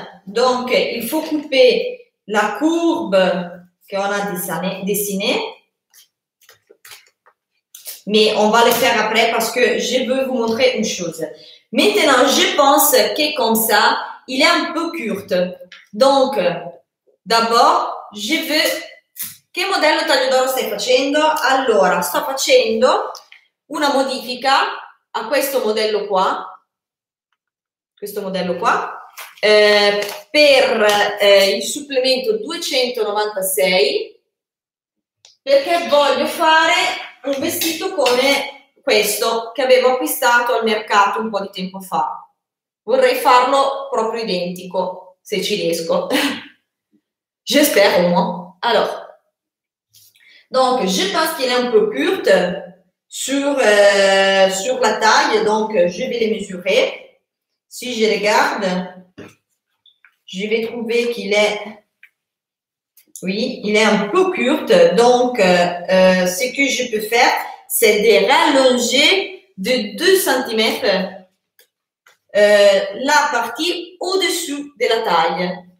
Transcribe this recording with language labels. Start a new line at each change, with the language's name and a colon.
French: Donc, il faut couper la courbe qu'on a dessinée. Mais on va le faire après parce que je veux vous montrer une chose. Maintenant, je pense que comme ça, il est un peu court. Donc, d'abord, je veux...
Italian: Che modello taglio d'oro stai facendo? Allora, sto facendo una modifica a questo modello qua. Questo modello qua. Per il supplemento 296. Perché voglio fare un vestito come... questo che avevo acquistato al mercato un po' di tempo fa. Vorrei farlo proprio identico, se ci riesco.
French: J'espère au moins. Alors. Donc, je pense qu'il est un peu court sur la taille, donc je vais le mesurer. Si je regarde, je vais trouver qu'il est... Oui, il est un peu court, donc ce que je peux faire, c'est de rallonger de 2 cm la partie au-dessous de la taille.